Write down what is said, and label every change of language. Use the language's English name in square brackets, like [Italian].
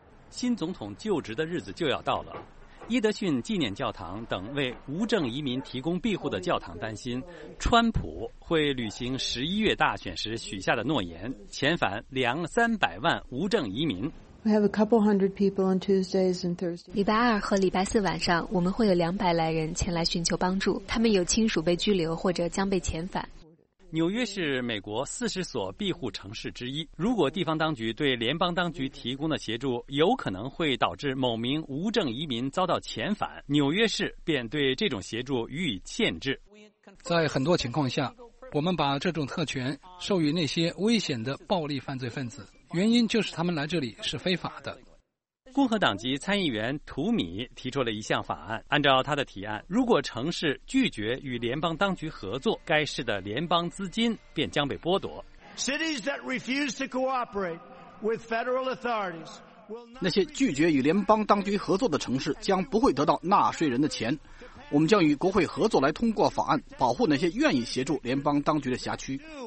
[Chinese] 新总统就职的日子就要到了，伊德逊纪念教堂等为无证移民提供庇护的教堂担心川普会履行11月大选时许下的诺言，遣返200-300万无证移民。 [English] We have a couple hundred people on Tuesdays and Thursdays. [Chinese] 礼拜二和礼拜四晚上，我们会有200来人前来寻求帮助，他们有亲属被拘留或者将被遣返。纽约是美国40所庇护城市之一，如果地方当局对联邦当局提供的协助有可能会导致某名无证移民遭到遣返，纽约市便对这种协助予以限制。在很多情况下，我们把这种特权授予那些危险的暴力犯罪分子，原因就是他们来这里是非法的。共和党籍参议员图米提出了一项法案，按照他的提案，如果城市拒绝与联邦当局合作，该市的联邦资金便将被剥夺。 [English] Cities that refuse to cooperate with federal authorities will not. [Chinese] 那些拒绝与联邦当局合作的城市将不会得到纳税人的钱。我们将与国会合作来通过法案，保护那些愿意协助联邦当局的辖区。